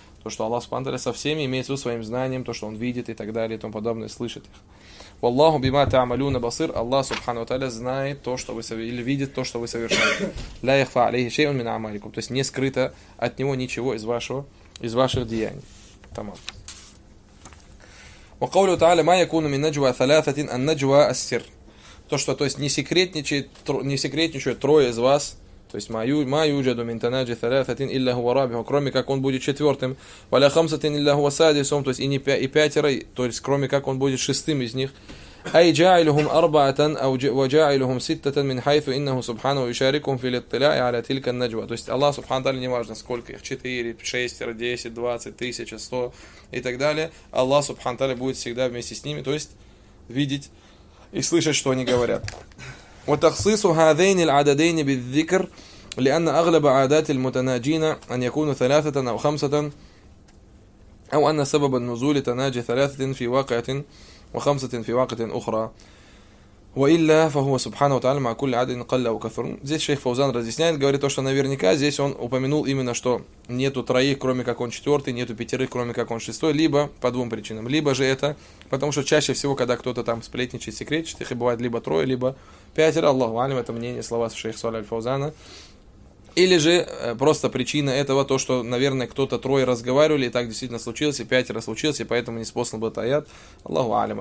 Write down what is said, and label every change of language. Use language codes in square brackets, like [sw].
[ru] То, что Аллах Субхану тааля со всеми имеет свою своим знанием, то, что Он видит и так далее, и тому подобное, слышит их. [ar] Валлаху бима таамалюна басыр, [ru] Аллах Субхану тааля знает то, что вы совершаете, или видит то, что вы совершаете. [ar] Ля яхфа алейхи шейун мин амаликум, [ru] то есть не скрыто от него ничего из вашего, из ваших деяний. Тамам. [ar] وقوله تعالى ما يكون من نجوى ثلاثة النجوى السر. [ru] То что, то есть не секретничает трое из вас, то есть [ar] ما يوجد من تناجي ثلاثة إلا هو رابعهم, [ru] кроме как он будет четвертым, [ar] ولا خمسة إلا هو سادسهم, [ru] то есть и пятеро, то есть кроме как он будет шестым из них. [ar] أي جاعلهم أربعة أو وجاعلهم ستة من حيث إنه سبحانه يشاركهم في الاطلاع على تلك النجوى. [ru] То есть Аллах Субхану тааля, неважно сколько их, 4, 6, 10, 20, 1000, 100 и так далее, Аллах Субхану тааля будет всегда вместе с ними, то есть видеть и слышать, что они говорят. [ar] وتخصيص هذين العددين بالذكر لأن أغلب عادات المتناجين أن يكونوا ثلاثة أو خمسة أو أن سبب النزول تناجي ثلاثة في واقعة وخمسة في واقعة أخرى، وإلا فهو سبحانه وتعالى مع كل عدد قل أو كثر. [ru] Здесь шейх Фаузан разъясняет, говорит то, что наверняка здесь он упомянул именно, что нету троих, кроме как он четвертый, нету пятерых, кроме как он шестой, либо по двум причинам. Либо же это, потому что чаще всего, когда кто-то там сплетничает, секретит, их и бывает либо трое, либо пятеро. Аллаху алим, это мнение, слова шейха Салих Фаузана. Или же просто причина этого, то, что, наверное, кто-то трое разговаривали, и так действительно случилось, и пятеро случилось, и поэтому не спослан был таят. Аллаху алим.